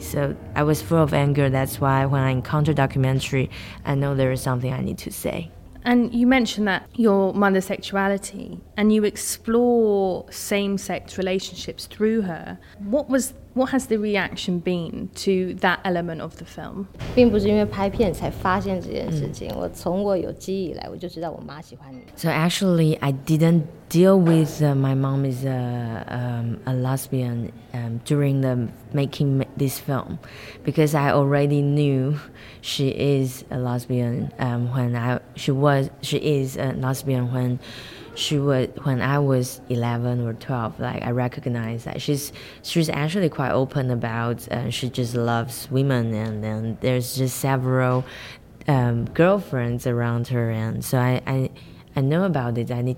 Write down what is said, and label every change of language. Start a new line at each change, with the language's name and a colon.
English: So I was full of anger. That's why when I encounter documentary, I know there is something I need to say. And you mentioned that your mother's sexuality, and you explore same-sex relationships through her. What has the reaction been to that element of the film?
Chinese: 并不是因为拍片才发现这件事情。我从我有记忆以来，我就知道我妈喜欢你。
English: So actually, I didn't deal with my mom is a lesbian during the making this film, because I already knew she is a lesbian when I was 11 or 12, like I recognized that she's actually quite open about, she just loves women, and then there's just several girlfriends around her, and so I know about it.